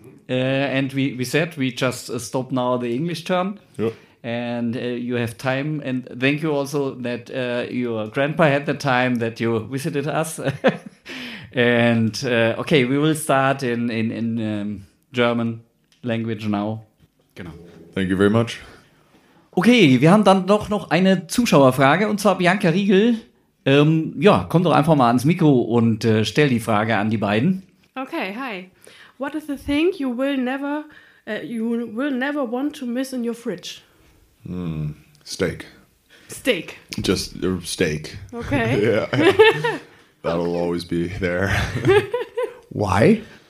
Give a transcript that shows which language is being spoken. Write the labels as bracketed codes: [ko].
[en] And we said we just stop now the English turn. Yep. And you have time. And thank you also that your grandpa had the time that you visited us. And okay, we will start in German language now. [de] Genau. [en] Thank you very much. [de] Okay, wir haben dann doch noch eine Zuschauerfrage, und zwar Bianca Riegel. Komm doch einfach mal ans Mikro und stell die Frage an die beiden. [en] Okay, hi. What is the thing you will never want to miss in your fridge? Steak. Steak. Just steak. Okay. Yeah. That'll always be there. Why?